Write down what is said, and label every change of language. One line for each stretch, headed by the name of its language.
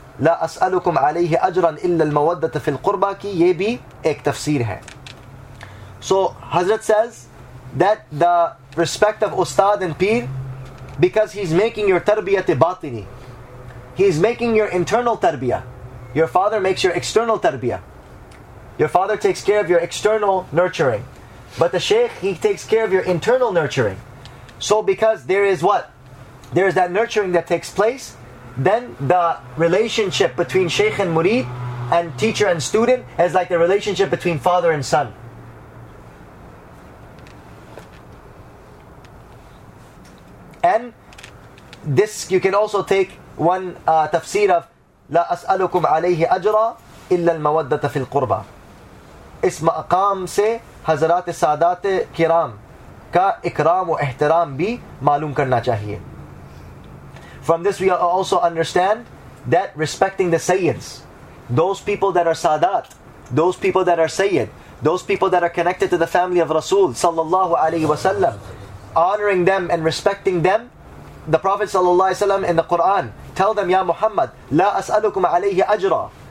Arabic: لا أسألكم عليه أجرا إلا المودة في القربة
Urdu: كي یہ بھی ایک تفسیر ہے.
English: So Hazrat says that the respect of Ustad and Peer, because he's making your tarbiyat batini, he's making your internal tarbiyah. Your father makes your external tarbiyah. Your father takes care of your external nurturing, but the Shaykh, he takes care of your internal nurturing. So because there is what? There is that nurturing that takes place, then the relationship between Shaykh and Murid and teacher and student is like the relationship between father and son. And this, you can also take one tafsir of
Arabic: لا أسألكم عليه أجرا إلا المودة في القربة.
Urdu: اس مقام سے حضرات سادات کرام کا اکرام و احترام بھی معلوم کرنا چاہیے.
English: From this we also understand that respecting the Sayyids, those people that are Sadat, those people that are Sayyid, those people that are connected to the family of Rasul sallallahu alayhi wasallam, honoring them and respecting them, the Prophet sallallahu alayhi wasallam in the Quran, tell them, Ya Muhammad,
Arabic: لا أسألكم عليه أجرا.